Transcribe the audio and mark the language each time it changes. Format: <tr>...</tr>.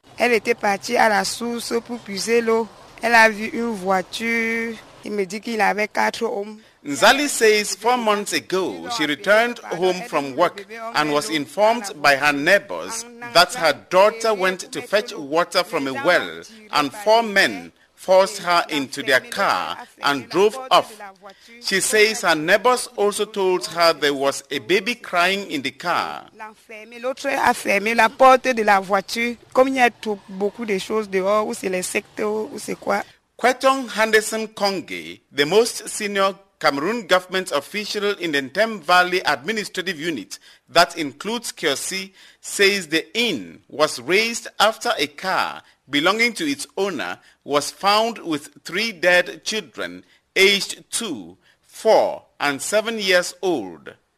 <fr>Elle était partie à la source pour puiser l'eau. Elle a vu une voiture. Il me dit qu'il avait quatre hommes.</fr> <en>Nzali says 4 months ago, she returned home from work and was informed by her neighbors that her daughter went to fetch water from a well and 4 men forced her into their car and drove off. She says her neighbors also told her there was a baby crying in the car.</en> <fr>L'autre a fermé la porte de la voiture. Comme il y a beaucoup de choses dehors, où c'est les secteurs, où c'est quoi.</fr> <en>Kwetong Henderson Konge, the most senior Cameroon government official in the Ntem Valley Administrative Unit that includes Kiosi, says the inn was raised after a car belonging to its owner was found with 3 dead children aged 2, 4, and 7 years old.</en>